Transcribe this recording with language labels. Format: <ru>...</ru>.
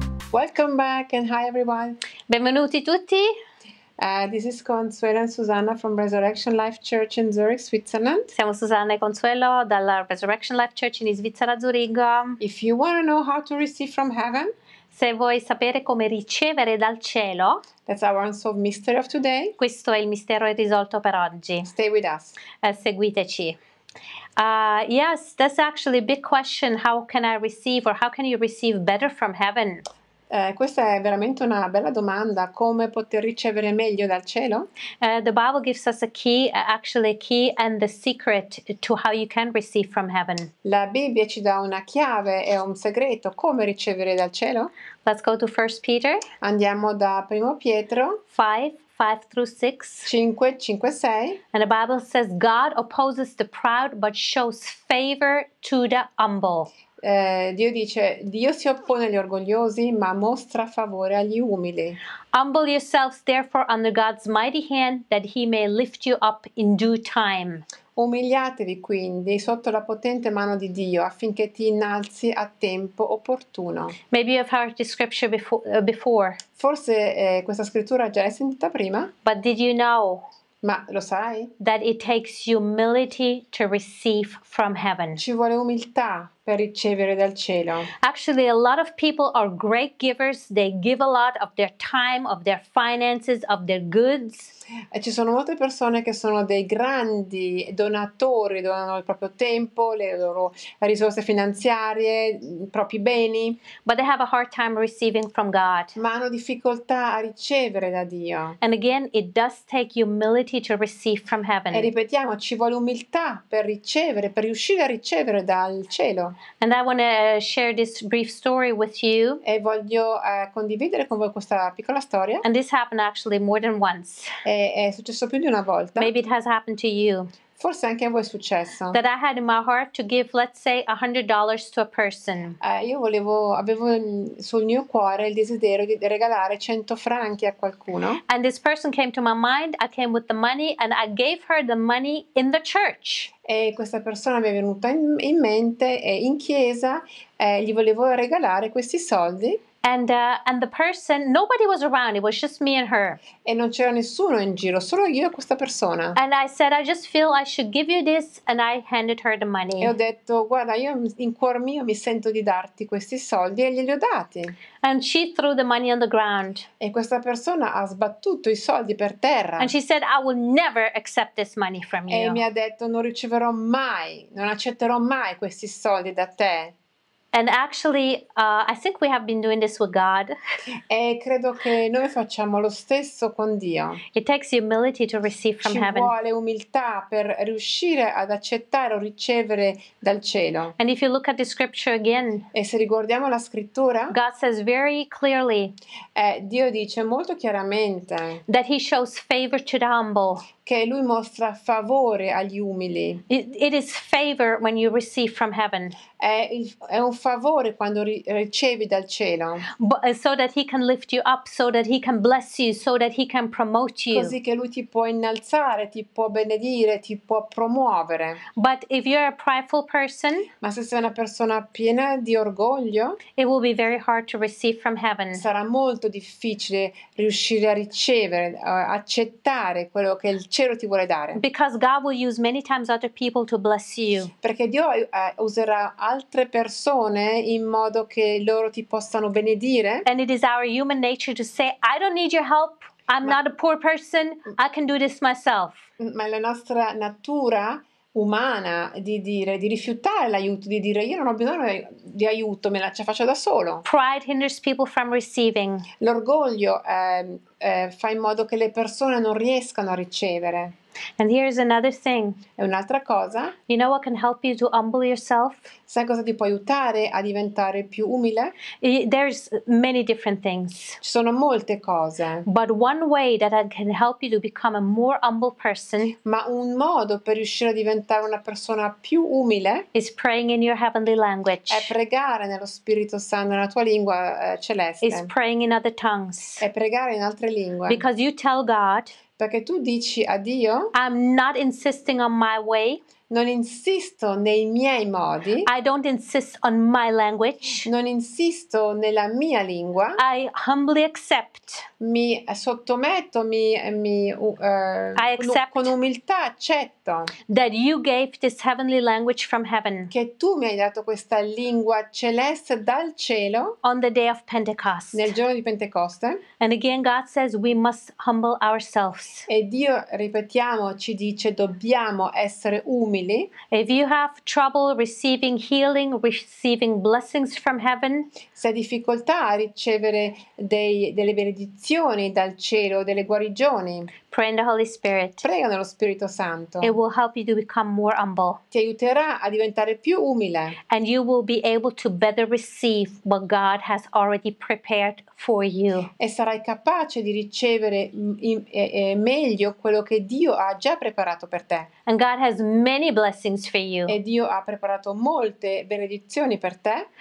<en>Welcome back and hi everyone.</en> <it>Benvenuti tutti.</it> <en>This is Consuelo and Susanna from Resurrection Life Church in Zurich, Switzerland.</en> <it>Siamo Susanna e Consuelo dalla Resurrection Life Church in Svizzera, Zurigo.</it> <en>If you want to know how to receive from heaven,</en> <it>se vuoi sapere come ricevere dal cielo,</it> <en>that's our unsolved mystery of today.</en> <it>Questo è il mistero irrisolto per oggi.</it> <en>Stay with us.</en> <it>Seguiteci.</it> <en>Yes, that's actually a big question. How can I receive, or how can you receive better from heaven?</en> <it>Questa è veramente una bella domanda. Come poter ricevere meglio dal cielo?</it> <en>The Bible gives us a key, actually a key and the secret to how you can receive from heaven.</en> <it>La Bibbia ci dà una chiave e un segreto. Come ricevere dal cielo?</it> <en>Let's go to 1 Peter.</en> <it>Andiamo da Primo Pietro.</it> <en>5:5-6.</en> <it>5:5-6.</it> <en>And the Bible says, God opposes the proud but shows favor to the humble.</en> <it>Dio dice, Dio si oppone agli orgogliosi, ma mostra favore agli umili.</it> <en>Humble yourselves therefore under God's mighty hand, that he may lift you up in due time.</en> <it>Umiliatevi quindi sotto la potente mano di Dio affinché ti innalzi a tempo opportuno.</it> <en>Maybe you've heard this scripture before.</en> <it>Forse questa scrittura già l'hai sentita prima.</it> <en>But did you know?</en> <it>Ma lo sai?</it> <en>That it takes humility to receive from heaven.</en> <it>Ci vuole umiltà per ricevere dal cielo.</it> <en>Actually, a lot of people are great givers. They give a lot of their time, of their finances, of their goods.</en> <it>E ci sono molte persone che sono dei grandi donatori, donano il proprio tempo, le loro risorse finanziarie, i propri beni.</it> <en>But they have a hard time receiving from God.</en> <it>Ma hanno difficoltà a ricevere da Dio.</it> <en>And again, it does take humility to receive from heaven.</en> <it>E ripetiamo, ci vuole umiltà per ricevere, per riuscire a ricevere dal cielo.</it> <en>And I want to share this brief story with you.</en> <it>E voglio condividere con voi questa piccola storia.</it> <en>And this happened actually more than once.</en> <it>È successo più di una volta.</it> <en>Maybe it has happened to you.</en> <it>Forse anche a voi è successo.</it> <en>That I had in my heart to give, let's say, $100 to a person.</en> <it>Avevo sul mio cuore il desiderio di regalare 100 franchi a qualcuno.</it> <en>And this person came to my mind, I came with the money, and I gave her the money in the church.</en> <it>E questa persona mi è venuta in mente, e in chiesa, gli volevo regalare questi soldi.</it> <en>And the person, nobody was around, it was just me and her.</en> <it>E non c'era nessuno in giro, solo io e questa persona.</it> <en>And I said, I just feel I should give you this, and I handed her the money.</en> <it>E ho detto, guarda, io in cuor mio mi sento di darti questi soldi e glieli ho dati.</it> <en>And she threw the money on the ground.</en> <it>E questa persona ha sbattuto i soldi per terra.</it> <en>And she said, I will never accept this money from you.</en> <it>E mi ha detto, non riceverò mai, non accetterò mai questi soldi da te.</it> <en>And actually, I think we have been doing this with God.</en> <it>E credo che noi facciamo lo stesso con Dio.</it> <en>It takes humility to receive from heaven.</en> <it>Ci vuole umiltà per riuscire ad accettare o ricevere dal cielo.</it> <en>And if you look at the scripture again,</en> <it>e se riguardiamo la scrittura,</it> <en>God says very clearly,</en> <it>Dio dice molto chiaramente,</it> <en>that he shows favor to the humble.</en> <it>Che lui mostra favore agli umili.</it> <en>It is favor when you receive from heaven.</en> <it>È un favore quando ricevi dal cielo.</it> <en>So that he can lift you up, so that he can bless you, so that he can promote you.</en> <it>Così che lui ti può innalzare, ti può benedire, ti può promuovere.</it> <en>But if you're a prideful person,</en> <it>ma se sei una persona piena di orgoglio,</it> <en>it will be very hard to receive from heaven.</en> <it>Sarà molto difficile riuscire a ricevere, accettare quello che il cielo ti vuole dare.</it> <en>Because God will use many times other people to bless you.</en> <it>Perché Dio userà altre persone in modo che loro ti possano benedire.</it> <en>And it is our human nature to say, I don't need your help. I'm not a poor person. I can do this myself.</en> <it>Ma è la nostra natura umana di dire, di rifiutare l'aiuto, di dire io non ho bisogno di aiuto, me la ce faccio da solo.</it> <en>Pride hinders people from receiving.</en> <it>L'orgoglio fa in modo che le persone non riescano a ricevere.</it> <en>And here is another thing.</en> <it>È un'altra cosa.</it> <en>You know what can help you to humble yourself?</en> <it>Sai cosa ti può aiutare a diventare più umile?</it> <en>There's many different things.</en> <it>Ci sono molte cose.</it> <en>But one way that can help you to become a more humble person.</en> <it>Ma un modo per riuscire a diventare una persona più umile.</it> <en>Is praying in your heavenly language.</en> <it>È pregare nello Spirito Santo, nella tua lingua celeste.</it> <en>Is praying in other tongues.</en> <it>È pregare in altre lingue.</it> <en>Because you tell God.</en> <it>Perché tu dici a Dio,</it> <en>I'm not insisting on my way.</en> <it>Non insisto nei miei modi.</it> <en>I don't insist on my language.</en> <it>Non insisto nella mia lingua.</it> <en>I humbly accept.</en> <it>Mi sottometto,</it> <en>I accept</en> <it>con umiltà accetto</it> <en>that you gave this heavenly language from heaven.</en> <it>Che tu mi hai dato questa lingua celeste dal cielo.</it> <en>On the day of Pentecost.</en> <it>Nel giorno di Pentecoste.</it> <en>And again God says we must humble ourselves.</en> <it>E Dio, ripetiamo, ci dice dobbiamo essere umili.</it> <en>If you have trouble receiving healing, receiving blessings from heaven,</en> <it>se hai difficoltà a ricevere delle benedizioni dal cielo, delle guarigioni,</it> <en>pray in the Holy Spirit.</en> <it>Prega nello Spirito Santo.</it> <en>It will help you to become more humble.</en> <it>Ti aiuterà a diventare più umile.</it> <en>And you will be able to better receive what God has already prepared for you.</en> <it>E sarai capace di ricevere meglio quello che Dio ha già preparato per te.</it> <en>And God has many blessings for you.</en> <it>E Dio ha preparato molte benedizioni per te.</it>